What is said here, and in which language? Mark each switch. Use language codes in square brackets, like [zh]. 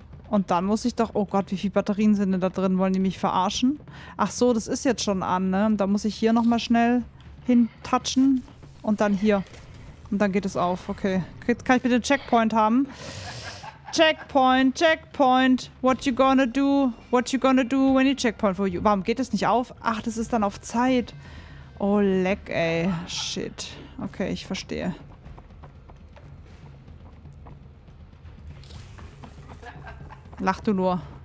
[de] Und dann muss ich doch... Oh Gott, wie viele Batterien sind denn da drin? Wollen die mich verarschen? Ach so, das ist jetzt schon an, ne? Und da muss ich hier nochmal schnell hintatschen. Und dann hier. Und dann geht es auf. Okay. Jetzt kann ich bitte einen Checkpoint haben. [en] Checkpoint, Checkpoint. What you gonna do? What you gonna do when you checkpoint for you? [de] Warum geht das nicht auf? Ach, das ist dann auf Zeit. Oh, leck, ey. Shit. Okay, ich verstehe. Lach du nur.